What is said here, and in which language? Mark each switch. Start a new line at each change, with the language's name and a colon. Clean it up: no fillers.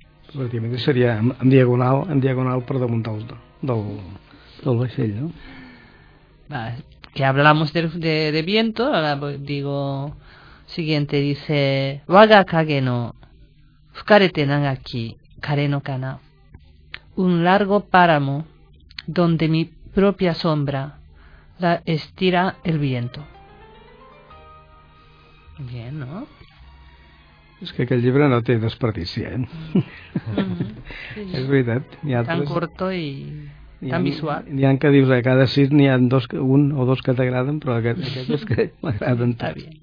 Catalan: Pràcticament seria en diagonal per damunt del vaixell, no?
Spanish: Va, que hablamos de viento, ahora digo siguiente, dice:
Japanese: Waga kage no fukarete nagaki kare no kana.
Spanish: Un largo páramo donde mi propia sombra la estira el viento. Bien, ¿no?
Catalan: És que aquest llibre no té desperdici, eh? Mm-hmm. Sí, sí. És veritat. Hi ha tan corto i tan visual. N'hi ha que dius, a cada sis n'hi ha dos, un o dos que t'agraden, però aquest és que m'agraden tant.